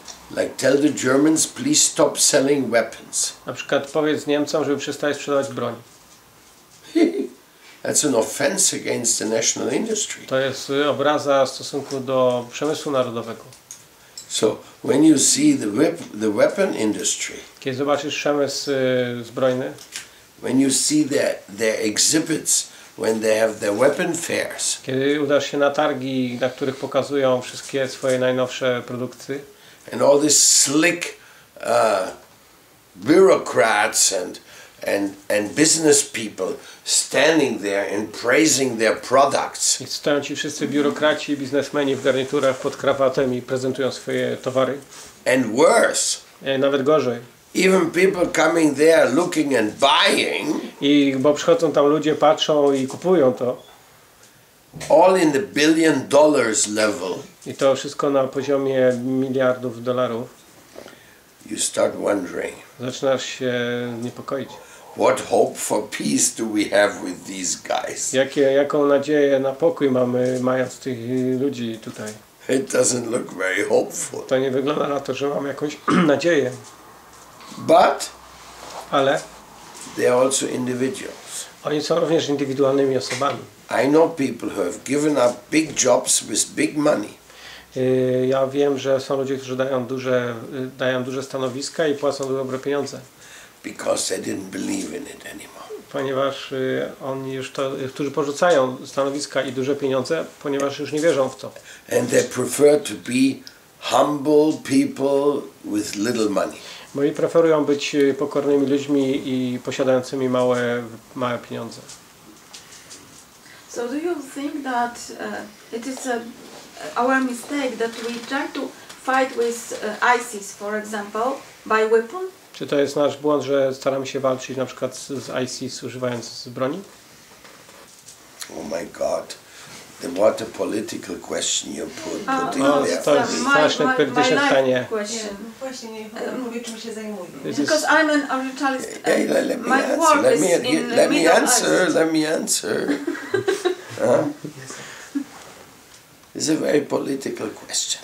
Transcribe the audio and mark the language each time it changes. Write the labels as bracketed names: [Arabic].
[English] Like tell the Germans please stop selling weapons. [Polish] Na przykład powiedz Niemcom, żeby przestali sprzedawać broń. [English] That's an offense against the national industry. [Polish] To jest obraza w stosunku do przemysłu narodowego. [English] So when you see the weapon industry. [Polish] Kiedy zobaczysz przemysł zbrojny. [English] When you see their exhibits. When they have their weapon fairs. [Polish] Kiedy udasz się na targi, na których pokazują wszystkie swoje najnowsze produkty. [English] And all these slick bureaucrats and business people standing there and praising their products. [Polish] I stoją ci wszyscy biurokraci, biznesmeni w garniturach pod krawatem i prezentują swoje towary. [English] And worse. [Polish] Nawet gorzej. [English] Even people coming there looking and buying. [Polish] I bo przychodzą tam ludzie, patrzą i kupują to. [English] All in the billion dollars level. [Polish] I to wszystko na poziomie miliardów dolarów. [English] You start wondering. [Polish] Zaczynasz się niepokoić. [English] What hope for peace do we have with these guys? [Polish] Jaką nadzieję na pokój mając tych ludzi tutaj? [English] It doesn't look very hopeful. [Polish] To nie wygląda na to, że mam jakąś nadzieję. [English] But, [Polish] ale [English] they are also individuals. [Polish] Oni są również indywidualnymi osobami. [English] I know people who have given up big jobs with big money. [Polish] Ja wiem, że są ludzie, którzy dają duże stanowiska i płacą dobre pieniądze. [English] Because they didn't believe in it anymore. [Polish] Ponieważ oni już to, którzy porzucają stanowiska i duże pieniądze, ponieważ już nie wierzą w to. [English] And they prefer to be humble people with little money. [Polish] Bo oni preferują być pokornymi ludźmi i posiadającymi małe pieniądze. [English] So do you think that it is our mistake that we try to fight with ISIS, for example, by weapon? [Polish] Czy to jest nasz błąd, że staramy się walczyć na przykład z ISIS używając broni? [English] Oh my God. Then what a political question you put in there. [Polish] No, to jest straszne polityczne pytanie. Właśnie, mówię, czym się zajmuję. [English] Because I'm an orientalist. Hey, let me answer. It's a very political question.